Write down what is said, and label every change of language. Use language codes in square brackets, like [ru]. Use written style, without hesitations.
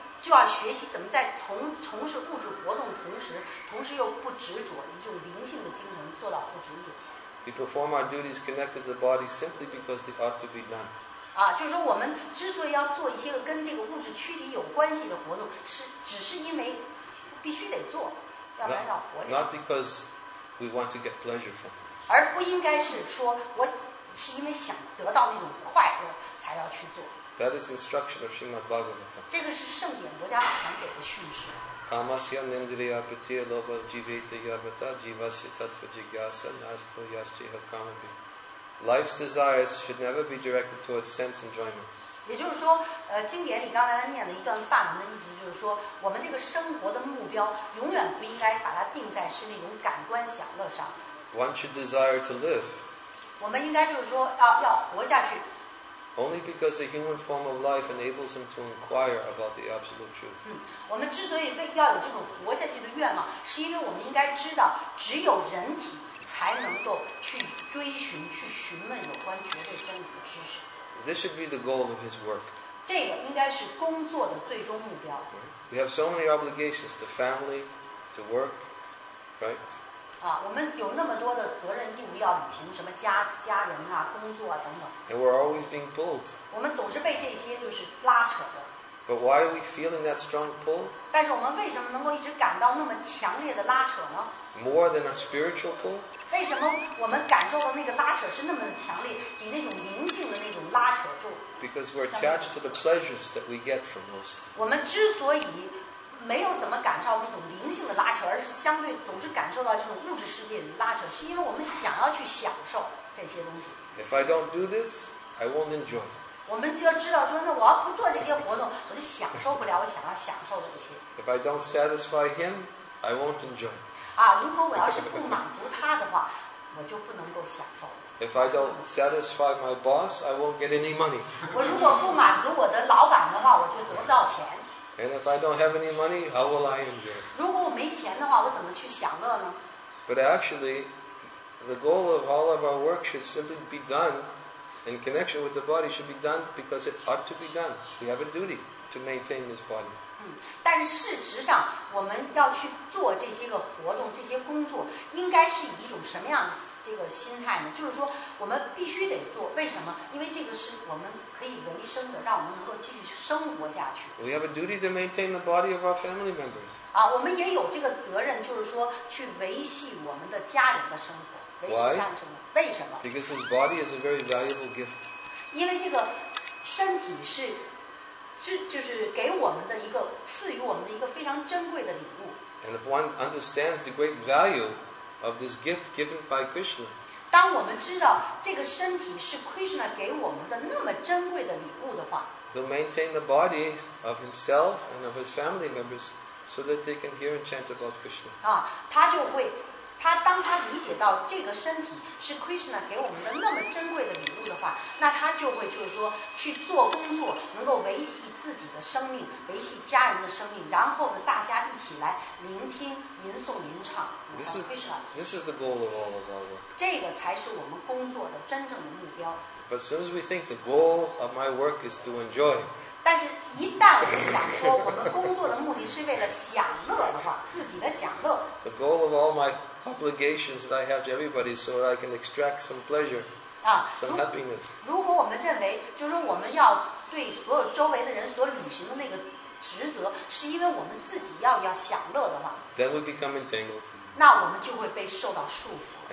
[zh] 就要学习怎么在从事物质活动同时又不执着，一种灵性的精神做到不执着。 [en] We perform our duties connected to the body simply because they ought to be done. [zh] 啊，就是说我们之所以要做一些个跟这个物质躯体有关系的活动，只是因为必须得做，要不然要活着。 [en] Not because we want to get pleasure from it. [zh] 而不应该是说我是因为想得到那种快乐才要去做。 [en] That is instruction of Srimad Bhagavatam. [zh] 这个是圣典国家法坛给的训示。 [sa] Kamasya nindriya pitiya loba jivita yavata jivasya tatva jigyasa nasto yascheha kamabhi. [en] Life's desires should never be directed towards sense enjoyment. [zh] 也就是说，经典里刚才他念的一段梵文的意思就是说，我们这个生活的目标永远不应该把它定在是那种感官享乐上。 [en] One should desire to live. [zh] 我们应该就是说要活下去。 [en] Only because the human form of life enables him to inquire about the absolute truth. [zh] 我们之所以为要有这种活下去的愿望，是因为我们应该知道，只有人体才能够去追寻、去询问有关绝对真理的知识。 [en] This should be the goal of his work. [zh] 这个应该是工作的最终目标。 [en] We have so many obligations to family, to work, right? [zh] 我们有那么多的责任义务要履行，什么家人啊，工作啊等等。 [en] And we're always being pulled. [zh] 我们总是被这些就是拉扯的。 [en] But why are we feeling that strong pull? [zh] 但是我们为什么能够一直感到那么强烈的拉扯呢？ [en] More than a spiritual pull? [zh] 为什么我们感受到那个拉扯是那么的强烈，比那种灵性的那种拉扯就？ [en] Because we're attached to the pleasures that we get from those. [zh] 我们之所以没有怎么感受那种灵性的拉扯，而是相对总是感受到这种物质世界的拉扯，是因为我们想要去享受这些东西。 [en] If I don't do this, I won't enjoy. [zh] 我们就要知道说，那我要不做这些活动，我就享受不了我想要享受的这些。 [en] If I don't satisfy him, I won't enjoy. [zh] 如果我要是不满足他的话，我就不能够享受。 [en] If I don't satisfy my boss, I won't get any money. [zh] 我如果不满足我的老板的话，我就得不到钱。 [en] And if I don't have any money, how will I enjoy? [zh] 如果我没钱的话，我怎么去享乐呢？ [en] But actually, the goal of all of our work should simply be done in connection with the body, should be done because it ought to be done. We have a duty to maintain this body. [zh] 但事实上，我们要去做这些个活动、这些工作，应该是以一种什么样的这个心态呢？就是说，我们必须得做。为什么？因为这个是我们可以维生的，让我们能够继续生活下去。 [en] We have a duty to maintain the body of our family members. [zh] 我们也有这个责任，就是说去维系我们的家人的生活，维系上去。为什么？ [en] Because his body is a very valuable gift. [zh] 因为这个身体是。就是给我们的一个赐予我们的一个非常珍贵的礼物。 [en] And if one understands the great value of this gift given by Krishna, [zh] 当我们知道这个身体是 Krishna 给我们的那么珍贵的礼物的话， [en] they'll maintain the bodies of himself and of his family members so that they can hear and chant about Krishna. [zh] 他当他理解到这个身体是 Krishna 给我们的那么珍贵的礼物的话，那他就会就是说去做工作，能够维系自己的生命，维系家人的生命，然后呢，大家一起来聆听、吟诵、吟唱。 [en] This is the goal of all of our work. [zh] 这个才是我们工作的真正的目标。 [en] But as soon as we think the goal of my work is to enjoy. [zh] 但是一旦我们想说我们工作的目的是为了享乐的话，自己的享乐。 [en] The goal of all my obligations that I have to everybody is so that I can extract some pleasure, some happiness. [zh] 如果我们认为就是我们要对所有周围的人所履行的那个职责，是因为我们自己要享乐的话， [en] then we become entangled. [zh] 那我们就会被受到束缚。